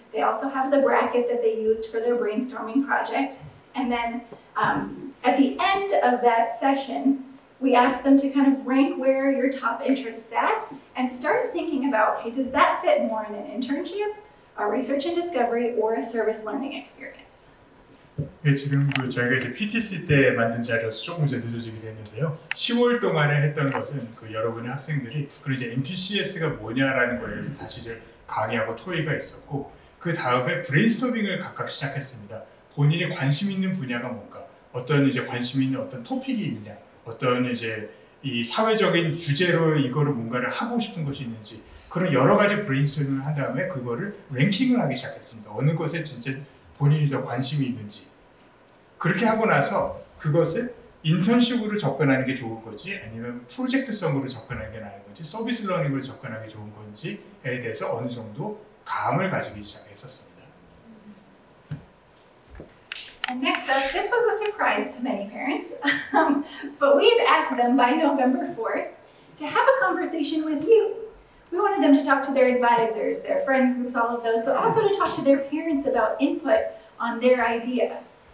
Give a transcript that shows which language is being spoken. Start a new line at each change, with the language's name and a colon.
English: They also have the bracket that they used for their brainstorming project. And then at the end of that session, we asked them to kind of rank where your top interests at and start thinking about, okay, does that fit more in an internship, a research and discovery, or a service learning experience?
Korean: 예, 지금 그 저희가 이제 PTC 때 만든 자료에서 조금 이제 늦어지게 됐는데요. 10월 동안에 했던 것은 그 여러분의 학생들이 그리고 이제 NPCS가 뭐냐라는 거에 대해서 다시 이제 강의하고 토의가 있었고 그 다음에 브레인스토밍을 각각 시작했습니다. 본인이 관심 있는 분야가 뭔가, 어떤 이제 관심 있는 어떤 토픽이 있느냐, 어떤 이제 이 사회적인 주제로 이거를 뭔가를 하고 싶은 것이 있는지, 그런 여러 가지 브레인스토밍을 한 다음에 그거를 랭킹을 하기 시작했습니다. 어느 것에 진짜 본인이 더 관심이 있는지. 그렇게 하고 나서 그것을 인턴십으로 접근하는 게 좋은 거지, 아니면 프로젝트성으로 접근하는 게 나은 거지, 서비스 러닝으로 접근하기 좋은 건지에 대해서 어느 정도 감을 가지기 시작했었습니다.
English: And next up, this was a surprise to many parents, but we had asked them by November 4th to have a conversation with you. We wanted them to talk to their advisors, their friend groups, all of those, but also to talk to their parents about input on their idea.